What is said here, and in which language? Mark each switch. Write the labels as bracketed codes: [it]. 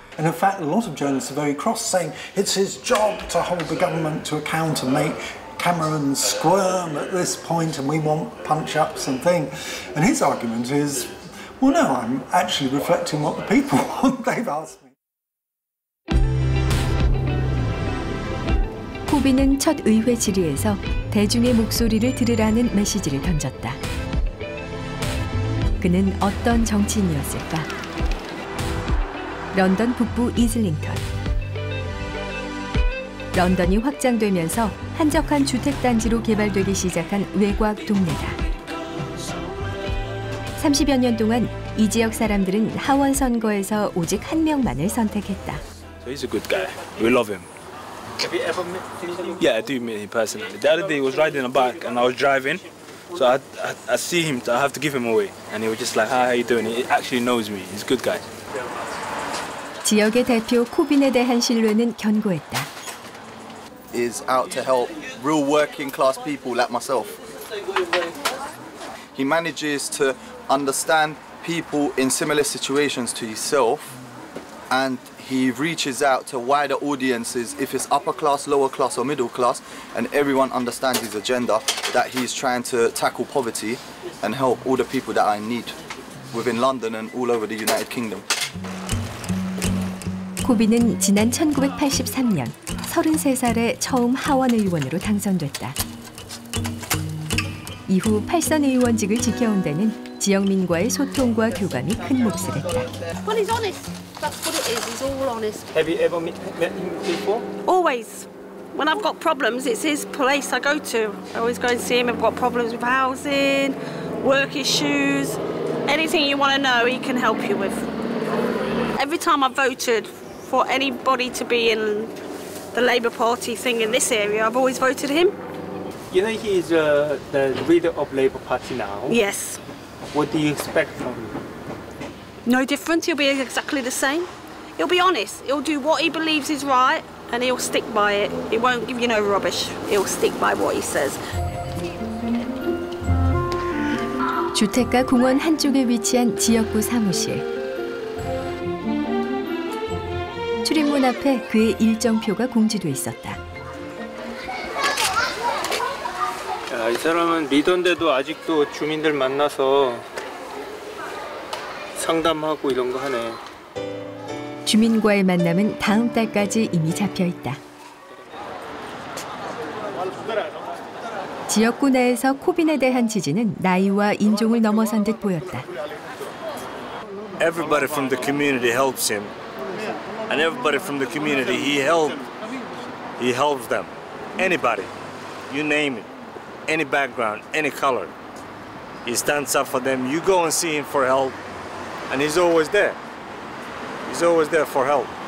[en] And in fact, a lot of journalists are very cross, saying it's his job to hold the government to account and make Cameron squirm at this point, and we want punch-ups and things. And his argument is, well, no, I'm actually reflecting what the people want. They've asked me. [ko] 코빈은 첫 의회 질의에서 대중의 목소리를 들으라는 메시지를 던졌다. 그는 어떤 정치인이었을까? 런던 북부 이슬링턴. 런던이 확장되면서 한적한 주택단지로 개발되기 시작한 외곽 동네다. 30여 년 동안 이 지역 사람들은 하원 선거에서 오직 한 명만을 선택했다. [en] So he's a good guy. We love him. Have you ever met him? Yeah, I do meet him personally. The other day he was riding a bike and I was driving. So I see him, I have to give him away. And he was just like, hi, how are you doing? He actually knows me. He's a good guy. [ko] 지역의 대표 코빈에 대한 신뢰는 견고했다. [en] Is out to help real working class people like myself. He manages to understand people in similar situations to himself, and he reaches out to wider audiences. If it's upper class, lower class, or middle class, and everyone understands his agenda that he's trying to tackle poverty and help all the people that are in need within London and all over the United Kingdom. [ko] 코빈은 지난 1983년 33살에 처음 하원의원으로 당선됐다. 이후 8선 의원직을 지켜온 데는 지역민과의 소통과 교감이 큰 몫을 했다. [en] Well, he's honest. That's what it is. He's all honest. Have you ever met him before? Always. When I've got problems, it's his place I go to. I always go and see him. I've got problems with housing, work issues. Anything you want to know, he can help you with. Every time I voted, for anybody to be in the Labour Party thing in this area, I've always voted him. You know he is the leader of Labour Party now? Yes. What do you expect from him? No different, he'll be exactly the same. He'll be honest, he'll do what he believes is right and he'll stick by it. He won't give you no rubbish, he'll stick by what he says. [ko] 주택과 공원 한쪽에 위치한 지역구 사무실. 출입문 앞에 그의 일정표가 공지돼 있었다. 야, 이 사람은 리더인데도 아직도 주민들 만나서 상담하고 이런 거 하네. 주민과의 만남은 다음 달까지 이미 잡혀 있다. 지역구 내에서 코빈에 대한 지지는 나이와 인종을 넘어선 듯 보였다. [en] Everybody from the community helps him. And everybody from the community, he helps them. Anybody, you name it, any background, any color. He stands up for them. You go and see him for help. And he's always there. He's always there for help.